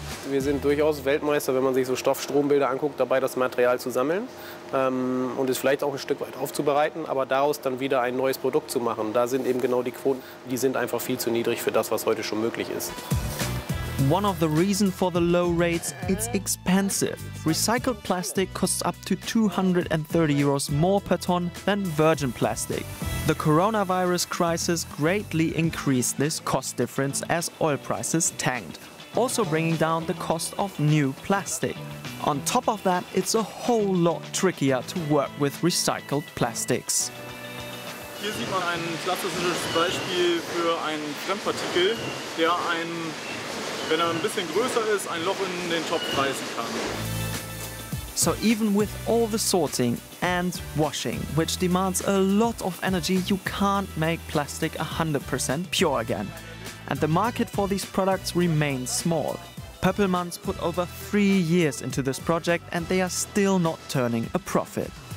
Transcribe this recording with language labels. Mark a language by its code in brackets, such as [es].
[de] Wir sind durchaus Weltmeister, wenn man sich so Stoffstrombilder anguckt, dabei das Material zu sammeln und es vielleicht auch ein Stück weit aufzubereiten, aber daraus dann wieder ein neues Produkt zu machen. Da sind eben genau die Quoten, die sind einfach viel zu niedrig für das, was heute schon möglich ist. [en] One of the reasons for the low rates, it's expensive. Recycled plastic costs up to 230 euros more per ton than virgin plastic. The coronavirus crisis greatly increased this cost difference as oil prices tanked, also bringing down the cost of new plastic. On top of that, it's a whole lot trickier to work with recycled plastics. [de] Hier sieht man ein klassisches Beispiel für einen Fremdpartikel, der ein, wenn er ein bisschen größer ist, ein Loch in den Topf reißen kann. [en] So even with all the sorting and washing, which demands a lot of energy, you can't make plastic 100% pure again. And the market for these products remains small. Pöppelmann's put over 3 years into this project and they are still not turning a profit.